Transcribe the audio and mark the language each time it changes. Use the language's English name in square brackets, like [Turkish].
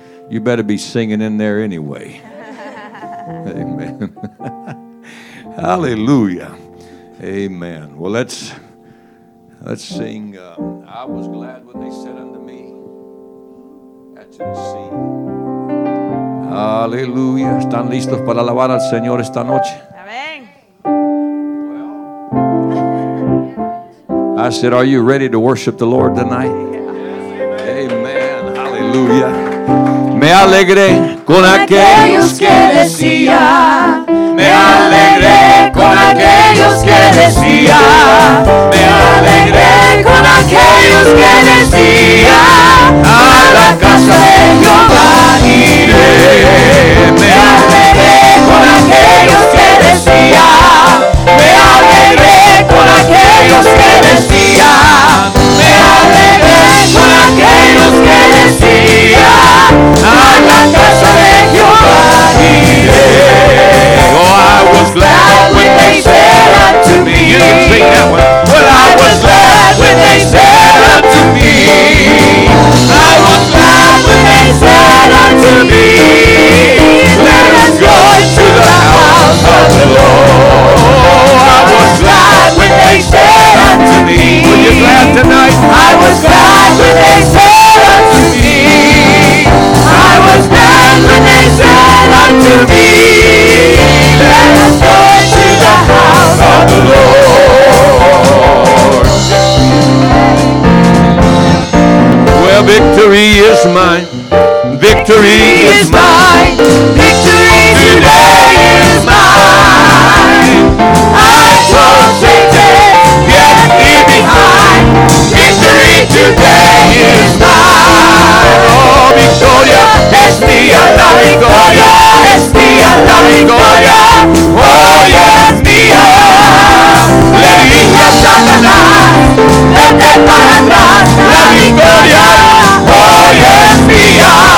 [English] You better be singing in there anyway. Amen. Hallelujah. Amen. Well, let's sing. I was glad when they said unto me, that's in C. [Spanish] Aleluya. ¿Están listos para alabar al Señor esta noche? [English] Amen. I said, are you ready to worship the Lord tonight? Yes, amen. Hallelujah. [Spanish] Me alegré con aquellos que decía. Me alegré con aquellos que decía. Me alegré con aquellos que decía. A la casa de Jehová iré. Me alegré con aquellos que decía. Me alegré con aquellos que decía. Me alegré con aquellos que decía. A la casa de Jehová iré. [English] Oh, I was glad when they said unto me. You can sing that one. Well, I was glad when they said unto me. I was glad when they said unto me. Let us go into the house of the Lord. I was glad when they said unto me. Were you glad tonight? I was glad when they said unto me. I was glad when they said unto me. Let us go into the house of the Lord. Well, victory is mine. Victory is mine. Victory today is mine. I won't take the enemy behind. Victory today is mine. [Spanish] Oh, victoria es mía, la victoria es mía, la victoria. Hoy es mía. Le dije a Satanás, vete para atrás. La victoria hoy es mía.